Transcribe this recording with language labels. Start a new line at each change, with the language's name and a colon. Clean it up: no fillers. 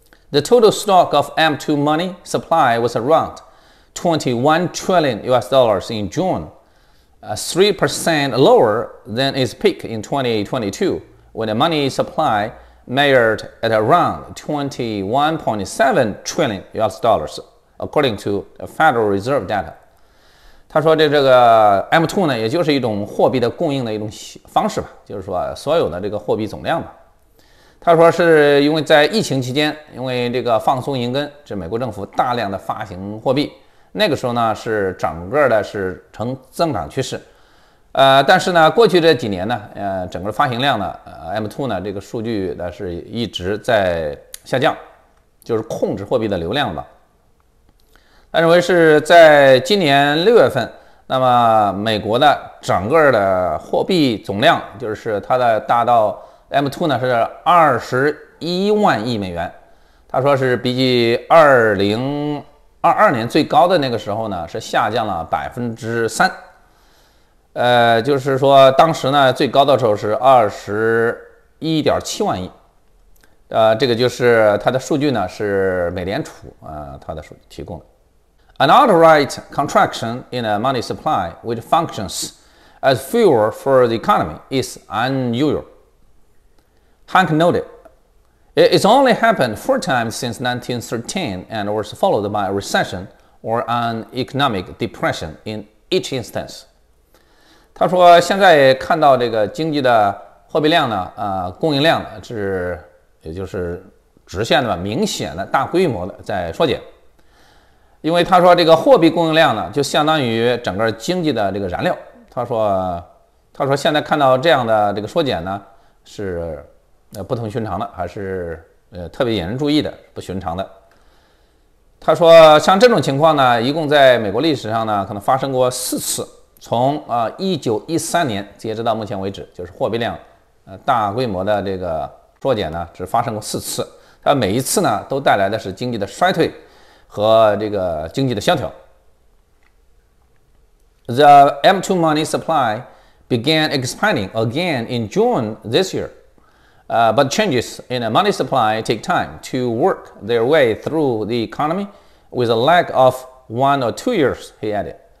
English: The total stock of M2 money supply was around $21 trillion in June, 3% lower than its peak in 2022, when the money supply measured at around $21.7 trillion, according to Federal Reserve data.
Chinese: 他说的这个 M2 呢，也就是一种货币的供应的一种方式吧，就是说所有的这个货币总量吧。他说是因为在疫情期间，因为这个放松银根，这美国政府大量的发行货币，那个时候呢是整个的是呈增长趋势。但是呢，过去这几年呢，整个发行量呢，M2 呢这个数据呢是一直在下降，就是控制货币的流量吧。他认为是在今年6月份，那么美国的整个的货币总量，就是它的达到 M2 呢是21万亿美元。他说是比起2022年最高的那个时候呢，是下降了3%。就是说当时呢最高的时候是21.7万亿。这个就是它的数据呢是美联储它的数据提供的。
English: An outright contraction in the money supply, which functions as fuel for the economy, is unusual. Hank noted, "It's only happened 4 times since 1913 and was followed by a recession or an economic depression in each instance."
Chinese: 他说，现在看到这个经济的货币量呢，供应量呢，是也就是直线的吧，明显的大规模的在缩减。因为他说这个货币供应量呢，就相当于整个经济的这个燃料。他说现在看到这样的这个缩减呢，是不同寻常的，还是特别引人注意的，不寻常的。他说像这种情况呢，一共在美国历史上呢，可能发生过4次。从1913年截止到目前为止，就是货币量大规模的这个缩减呢，只发生过4次。它每一次呢，都带来的是经济的衰退。和这个经济的萧条。
English: The M2 money supply began expanding again in June this year, but changes in the money supply take time to work their way through the economy with a lag of 1 or 2 years, he added.